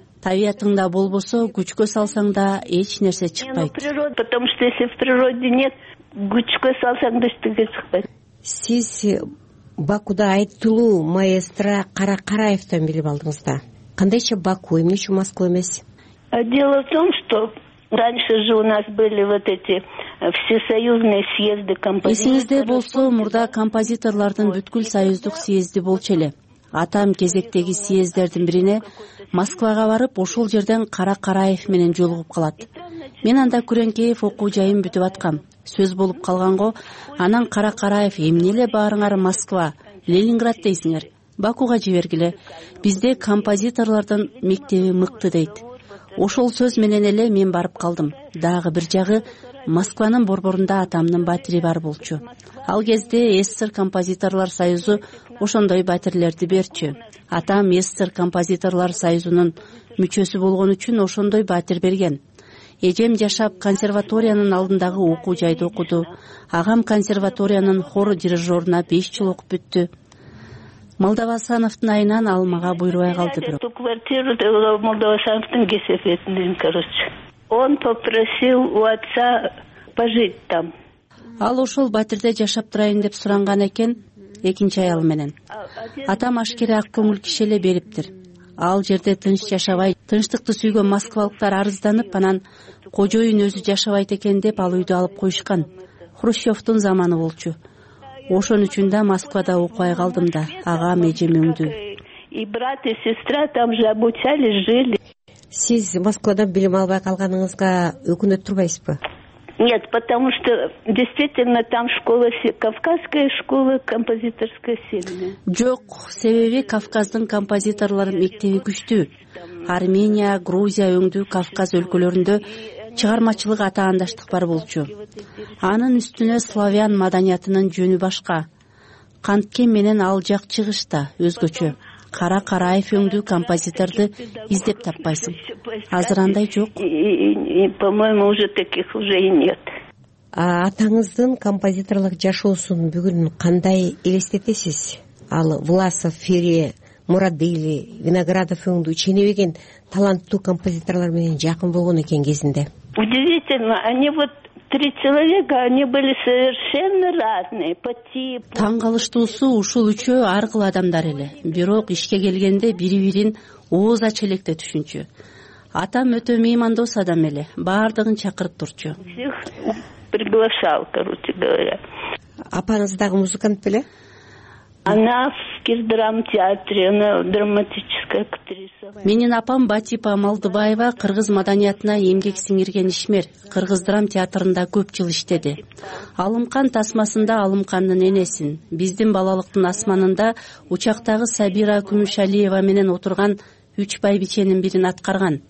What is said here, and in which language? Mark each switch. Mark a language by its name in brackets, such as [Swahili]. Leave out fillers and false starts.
[Kyrgyz] Табиятыңда болбосо, күчкө салсаң да эч нерсе чыкпайт. [Russian] Потому что если в природе нет, [Kyrgyz] күчкө салсаң да эчтеке чыкпайт. Сиз Бакуда айтылуу маэстро Каракараевтен билип алдыңыз да. Кандайча Баку, эмне үчүн Москва эмес? [Russian] Дело в том, что раньше же у нас были вот эти всесоюзные съезды композиторов. [Kyrgyz] Эсиңизде болсо, мурда композиторлордун бүткүл союздук съезди болчу эле. Атам кезектеги съезддердин бирине Москвага барып, ошол жерден Каракараев менен жолугуп калат. Мен анда Күрөнкеев окуу жайын бүтүп аткам. Сөз болуп калганго, анан Каракараев эмнеле баарыңар Москва, Ленинград дейсиңер. Бакуга жибергиле. Бизде композиторлордун мектеби мыкты дейт. Ошол сөз менен эле мен барып калдым. Дагы бир жагы Москванын борборунда атамдын батири бар болчу. Ал кезде СССР композиторлор союзу ошондой батирлерди берчү. Атам СССР композиторлор союзунун мүчөсү болгон үчүн ошондой батир берген. Эжем жашап консерваториянын алдындагы окуу жайды окуду. Агам консерваториянын хор дирижёруна 5 жыл окуп бүттү. Молдовасановтун айынан ал мага буйрубай калды бирок. [Russian] Эту квартиру [Kyrgyz] Молдовасановтун кесепетинен, [Russian] короче. Он попросил у отца пожить там. [Kyrgyz] Ал ошол батирде жашап турайын деп суранган экен экинчи аялы менен. Атам ашкере ак көңүл киши эле бериптир. Ал жерде тынч жашабай, тынчтыкты сүйгөн москвалыктар арызданып, анан кожо үйүн өзү жашабайт экен деп ал үйдү алып коюшкан. Хрущевтун заманы болчу. Ошон үчүн да Москвада окубай калдым да. Ага эжем өңдү. [Russian] И брат, и сестра там же обучались, жили. [Kyrgyz] Сиз Москвадан билим албай калганыңызга өкүнөт турбайсызбы? [Russian] Нет, потому что действительно там школа Кавказская школа композиторская сильная. [Kyrgyz] Жок, себеби Кавказдын композиторлор мектеби күчтүү. Армения, Грузия, өңдүү Кавказ өлкөлөрүндө чыгармачылык атаандаштык бар болчу. Анын үстүнө славян маданиятынын жөнү башка. Канткен менен ал жак чыгыш да өзгөчө. Кара Караев өңдүү композиторду издеп таппайсың. Азыр андай жок. [Russian] По-моему, уже таких уже и нет. [Kyrgyz] Атаңыздын композиторлук жашоосун бүгүн кандай элестетесиз? Ал Власов, Фери, Мурадели, Виноградов өңдүү ченебеген таланттуу композиторлор менен жакын болгон экен кезинде. [Russian] Удивительно, они вот три человека, они были совершенно разные по типу. [Kyrgyz] Таң калыштуусу ушул үчөө ар кыл адамдар эле. Бирок ишке келгенде бири-бирин ооз ача электе түшүнчү. Атам өтө меймандос адам эле, баардыгын чакырып турчу. [Russian] Всех приглашал, короче говоря. [Kyrgyz] Апаңыз дагы музыкант беле? [Russian] Она в Кирдрам театре, она драматическая актриса. [Kyrgyz] Менин апам Батипа Малдыбаева кыргыз маданиятына эмгек сиңирген ишмер. Кыргыз драм театрында көп жыл иштеди. Алымкан тасмасында Алымкандын энесин, биздин балалыктын асманында учактагы Сабира Күмүшалиева менен отурган үч байбиченин бирин аткарган.